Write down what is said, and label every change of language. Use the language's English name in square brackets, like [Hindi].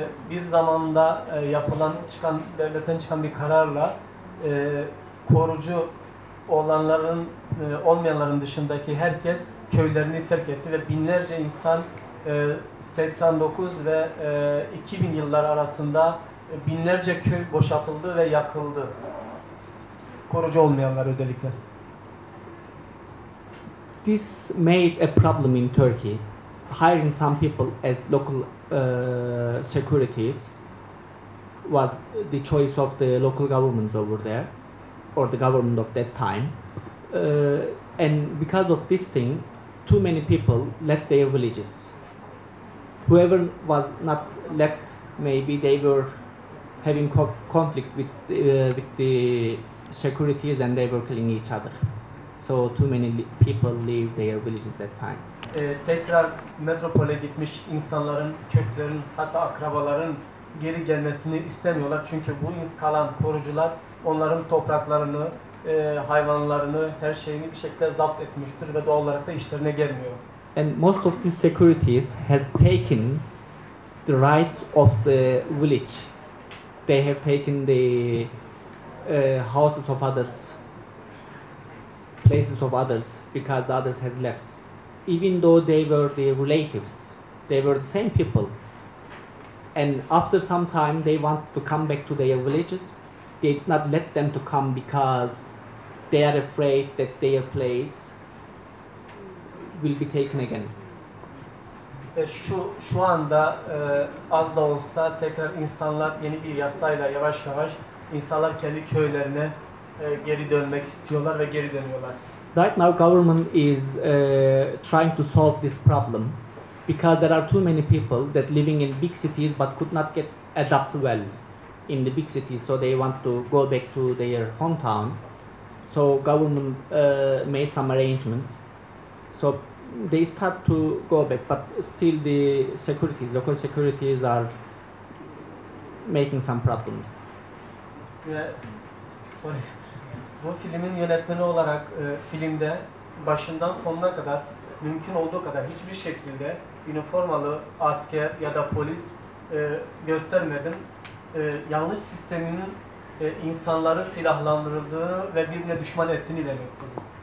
[Turkish] Bir zamanda yapılan çıkan devletten çıkan bir kararla korucu olanların olmayanların dışındaki herkes köylerini terk etti ve binlerce insan 89 ve 2000 yılları arasında binlerce köy boşaltıldı ve yakıldı. Korucu olmayanlar özellikle. [English] This made a problem in Turkey, hiring some people as local securities was the choice of the local governments over there, or the government of that time. And because of this thing, too many people left their villages. Whoever was not left, maybe they were having conflict with the securities and they were killing each other. So too many people leave their villages that time. [Turkish] Tekrar metropole gitmiş insanların, köklerin, hatta akrabaların geri gelmesini istemiyorlar. Çünkü bu kalan korucular onların topraklarını, hayvanlarını, her şeyini bir şekilde zapt etmiştir ve doğal olarak da işlerine gelmiyor. [English] And most of these securities has taken the rights of the village. They have taken the houses of others, places of others, because the others has left. Even though they were the relatives, they were the same people. And after some time, they want to come back to their villages. They did not let them to come because they are afraid that their place will be taken again. [Turkish] Şu anda az da olsa tekrar insanlar yeni bir yasayla yavaş yavaş insanlar kendi köylerine geri dönmek istiyorlar ve geri dönüyorlar. [English] Right now, government is trying to solve this problem because there are too many people that living in big cities but could not get adapt well in the big cities, so they want to go back to their hometown. So government made some arrangements. So they start to go back, but still the securities, local securities are making some problems. Sorry. [Turkish] Bu filmin yönetmeni olarak filmde başından sonuna kadar mümkün olduğu kadar hiçbir şekilde üniformalı asker ya da polis göstermedim. Yanlış sistemin insanları silahlandırıldığı ve birbirine düşman ettiğini demek istedim.